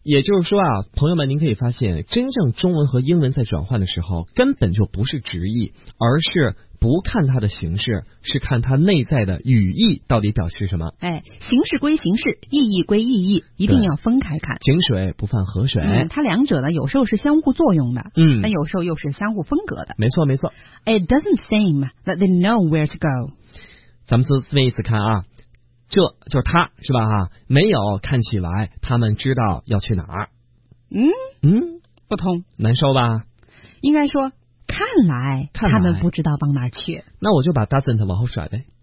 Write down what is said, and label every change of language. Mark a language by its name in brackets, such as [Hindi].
[Chinese] 也就是说啊，朋友们，您可以发现，真正中文和英文在转换的时候，根本就不是直译，而是。不看它的形式，是看它内在的语义到底表示什么。哎，形式归形式，意义归意义，一定要分开看。井水不犯河水，嗯，它两者呢，有时候是相互作用的，嗯，但有时候又是相互分隔的。没错没错。 [English] It doesn't seem that they know where to go。 [Chinese] 咱们从那意思看啊，这就是他是吧？哈，没有看起来他们知道要去哪儿。嗯嗯，不通，难受吧？应该说。看来他们不知道往哪去。那我就把 doesn't 往后甩呗。